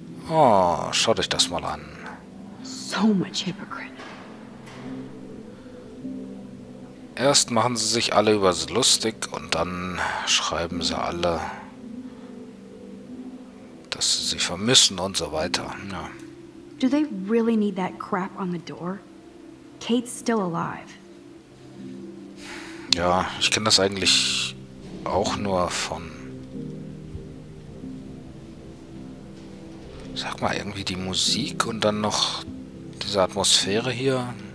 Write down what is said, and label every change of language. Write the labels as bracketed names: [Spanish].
[German] Oh, schaut euch das mal an. [English] So much hypocrite. [German] Erst machen sie sich alle über sie lustig und dann schreiben sie alle, dass sie sie vermissen und so weiter. Ja. [English] Do they really need that crap on the door? Kate's still alive. [German] Ja, ich kenne das eigentlich auch nur von. Sag mal, irgendwie die Musik und dann noch diese Atmosphäre hier.